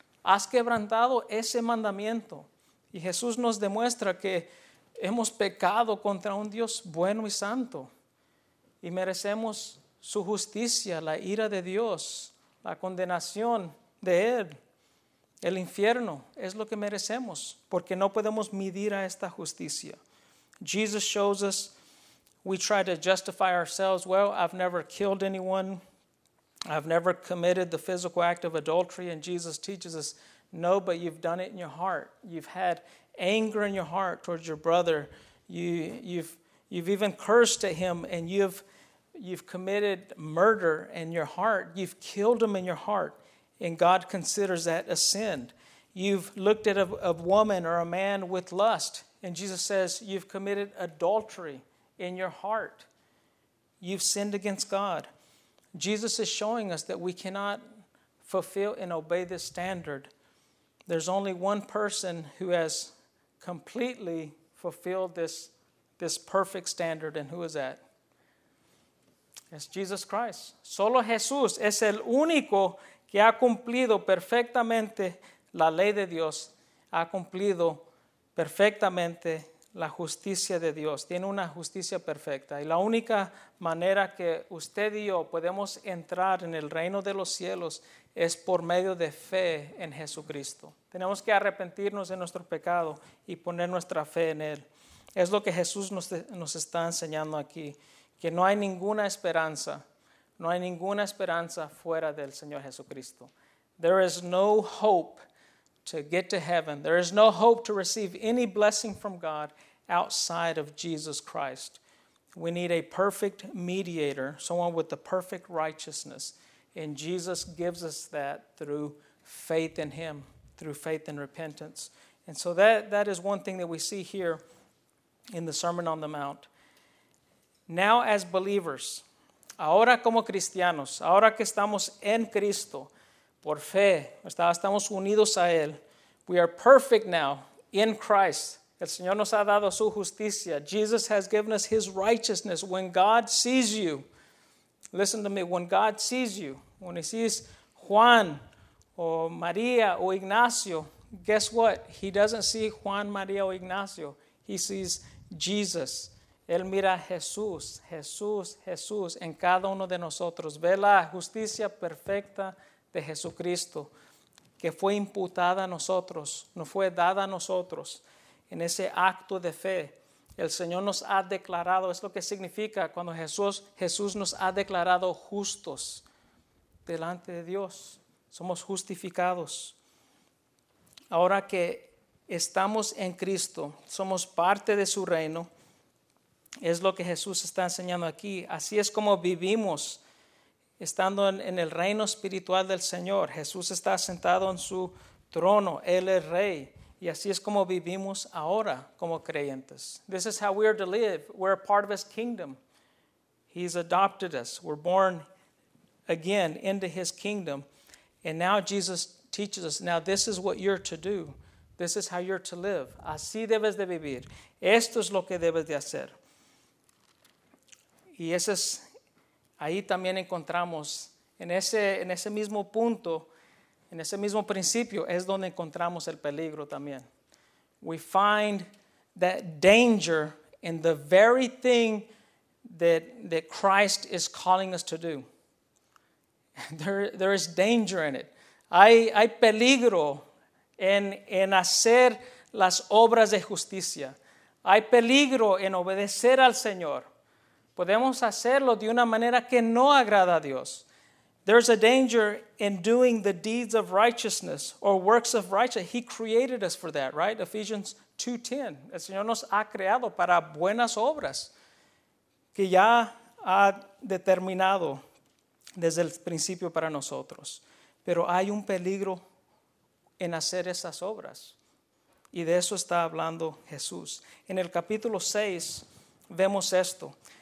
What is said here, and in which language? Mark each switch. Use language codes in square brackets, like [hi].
[es] Has quebrantado ese mandamiento. Y Jesús nos demuestra que hemos pecado contra un Dios bueno y santo. Y merecemos su justicia, la ira de Dios, la condenación de Él. El infierno es lo que merecemos, porque no podemos medir a esta justicia. [en] Jesus shows us, we try to justify ourselves. Well, I've never killed anyone. I've never committed the physical act of adultery. And Jesus teaches us, no, but you've done it in your heart. You've had anger in your heart towards your brother. You've even cursed at him, and you've committed murder in your heart. You've killed him in your heart, and God considers that a sin. You've looked at a woman or a man with lust, and Jesus says, you've committed adultery in your heart. You've sinned against God. Jesus is showing us that we cannot fulfill and obey this standard. There's only one person who has completely fulfilled this perfect standard, and who is that? It's Jesus Christ. [es] Solo Jesús es el único que ha cumplido perfectamente la ley de Dios, ha cumplido perfectamente la justicia de Dios. Tiene una justicia perfecta. Y la única manera que usted y yo podemos entrar en el reino de los cielos es por medio de fe en Jesucristo. Tenemos que arrepentirnos de nuestro pecado y poner nuestra fe en Él. Es lo que Jesús nos está enseñando aquí, que no hay ninguna esperanza. No hay ninguna esperanza fuera del Señor Jesucristo. [en] There is no hope to get to heaven. There is no hope to receive any blessing from God outside of Jesus Christ. We need a perfect mediator, someone with the perfect righteousness. And Jesus gives us that through faith in Him, through faith and repentance. And so that is one thing that we see here in the Sermon on the Mount. Now as believers, [es] ahora como cristianos, ahora que estamos en Cristo, por fe, estamos unidos a Él. [en] We are perfect now in Christ. [es] El Señor nos ha dado su justicia. [en] Jesus has given us His righteousness. When God sees you, listen to me, when God sees you, when He sees Juan o María o Ignacio, guess what? He doesn't see Juan, María o Ignacio. He sees Jesus. [es] Él mira a Jesús, Jesús, Jesús en cada uno de nosotros. Ve la justicia perfecta de Jesucristo que fue imputada a nosotros, nos fue dada a nosotros en ese acto de fe. El Señor nos ha declarado, es lo que significa cuando Jesús nos ha declarado justos delante de Dios. Somos justificados. Ahora que estamos en Cristo, somos parte de su reino. Es lo que Jesús está enseñando aquí. Así es como vivimos, estando en el reino espiritual del Señor. Jesús está sentado en su trono. Él es Rey. Y así es como vivimos ahora como creyentes. [en] This is how we are to live. We're a part of His kingdom. He's adopted us. We're born again into His kingdom. And now Jesus teaches us, now this is what you're to do. This is how you're to live. [es] Así debes de vivir. Esto es lo que debes de hacer. Y ese es, ahí también encontramos, en ese mismo punto, en ese mismo principio, es donde encontramos el peligro también. [en] We find that danger in the very thing that Christ is calling us to do. There is danger in it. [es] Hay peligro en hacer las obras de justicia. Hay peligro en obedecer al Señor. Podemos hacerlo de una manera que no agrada a Dios. [en] There's a danger in doing the deeds of righteousness or works of righteousness. He created us for that, right? [es] Ephesians 2:10. El Señor nos ha creado para buenas obras. Que ya ha determinado desde el principio para nosotros. Pero hay un peligro en hacer esas obras. Y de eso está hablando Jesús. En el capítulo 6 vemos esto.